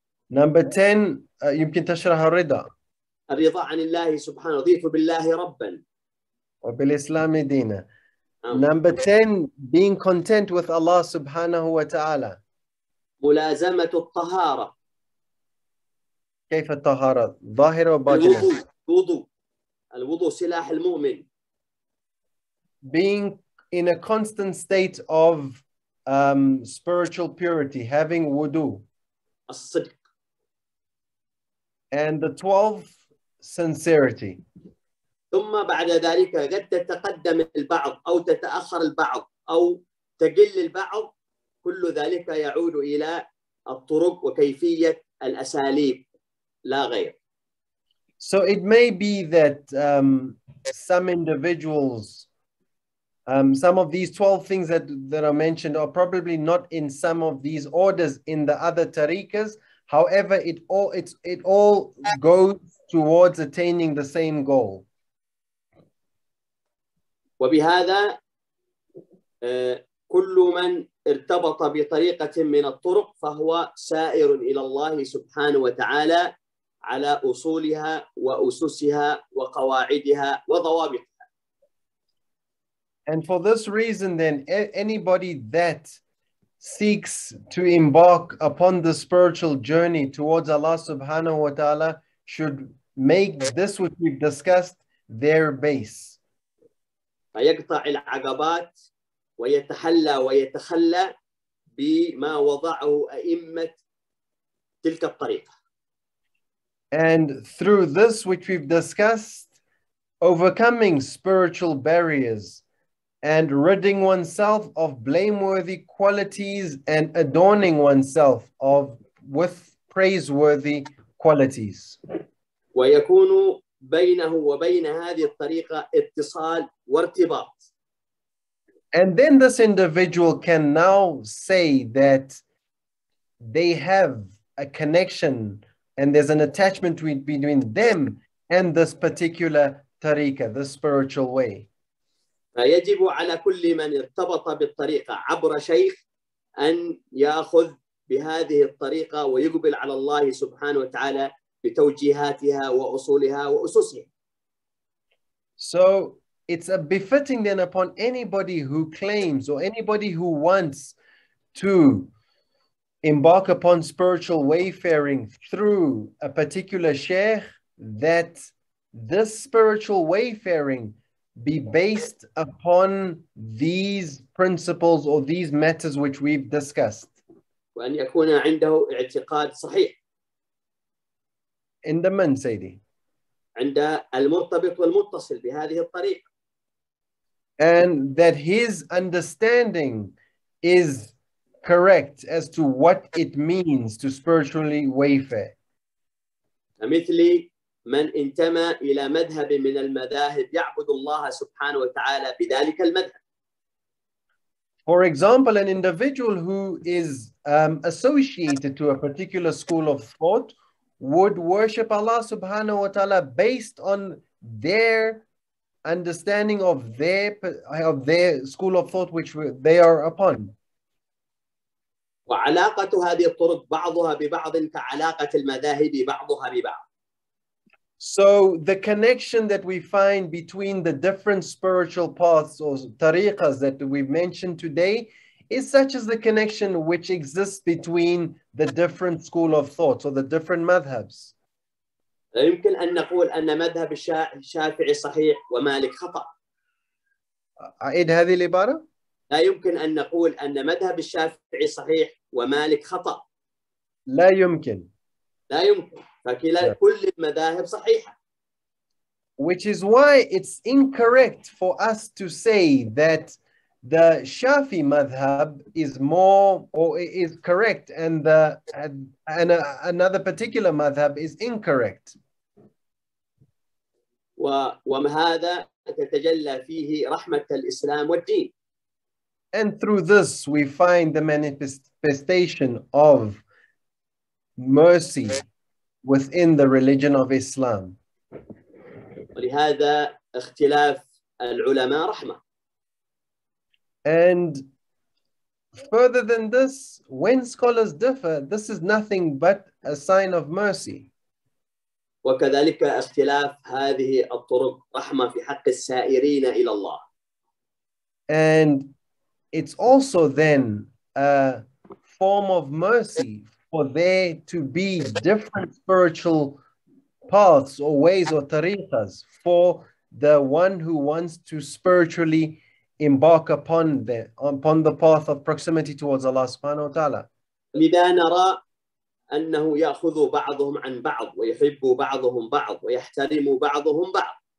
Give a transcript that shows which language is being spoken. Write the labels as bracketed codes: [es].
[en] Number ten, [ar] يمكن تشرح الرضا. الرضا عن الله سبحانه رضيت بالله ربا. وبالإسلام دينا. [en] Number ten, being content with Allah سبحانه وتعالى. [ar] ملازمة الطهارة. كيف الطهارة؟ ظاهرة وباطنة. الوضوء سلاح المؤمن. [en] Being in a constant state of spiritual purity, having wudu. [ar] الصدق. [en] And the 12th, sincerity. [ar] ثم بعد ذلك قد تتقدم البعض أو تتأخر البعض أو تقل البعض كل ذلك يعود إلى الطرق وكيفية الأساليب لا غير. [en] So it may be that some individuals, some of these 12 things that are mentioned are probably not in some of these orders in the other tariqas. However, it all goes towards attaining the same goal. [ar] وبهذا كل من ارتبط بطريقة من الطرق فهو سائر إلى الله سبحانه وتعالى على أصولها وأسسها وقواعدها وضوابطها. [en] And for this reason then, anybody that seeks to embark upon the spiritual journey towards Allah subhanahu wa ta'ala should make this which we've discussed their base. [ar] فيقطع العقبات ويتحلى ويتخلى بما وضعه أئمة تلك الطريقة. [en] And through this which we've discussed, overcoming spiritual barriers and ridding oneself of blameworthy qualities and adorning oneself of with praiseworthy qualities. [ar] ويكون بينه وبين هذه الطريقة اتصال وارتباط. [en] And then this individual can now say that they have a connection and there's an attachment between them and this particular tariqah, the spiritual way. [ar] فيجب على كل من ارتبط بالطريقة عبر شيخ أن يأخذ بهذه الطريقة ويقبل على الله سبحانه وتعالى بتوجيهاتها وأصولها وأسسها. [en] So it's a befitting then upon anybody who claims or anybody who wants to embark upon spiritual wayfaring through a particular sheikh that this spiritual wayfaring be based upon these principles or these matters which we've discussed. [ar] وأن يكون عنده اعتقاد صحيح. عند من سيدي؟ عند المرتبط والمتصل بهذه الطريقة. [en] And that his understanding is correct as to what it means to spiritually wayfare. [ar] مثل من انتمى إلى مذهب من المذاهب يعبد الله سبحانه وتعالى بذلك المذهب. [en] For example, an individual who is associated to a particular school of thought would worship Allah subhanahu wa ta'ala based on their understanding of their school of thought which they are upon. [ar] وعلاقة هذه الطرق بعضها ببعض كعلاقة المذاهب بعضها ببعض. [en] So the connection that we find between the different spiritual paths or tariqas that we've mentioned today is such as the connection which exists between the different school of thoughts or the different madhhabs. [ar] يمكن أن نقول أن مذهب الشافعي صحيح ومالك خطأ. أعيد هذه العبارة. لا يمكن أن نقول أن مذهب الشافعي صحيح ومالك خطأ. لا يمكن. لا يمكن. فكلا كل المذاهب صحيحة. [en] Which is why it's incorrect for us to say that the Shafi madhab is more or is correct and another particular madhab is incorrect. [ar] وهذا تتجلى فيه رحمة الإسلام والدين. [en] And through this we find the manifestation of mercy within the religion of Islam. [ar] ولهذا اختلاف العلماء رحمة. [en] And further than this, when scholars differ, this is nothing but a sign of mercy. [ar] وكذلك اختلاف هذه الطرق رحمة في حق السائرين إلى الله. [en] And it's also then a form of mercy for there to be different spiritual paths or ways or tariqas for the one who wants to spiritually embark upon the path of proximity towards Allah subhanahu wa ta'ala. [ar] لذا نرى أنه يأخذ بعضهم عن بعض ويحب بعضهم بعض ويحترم بعضهم بعض.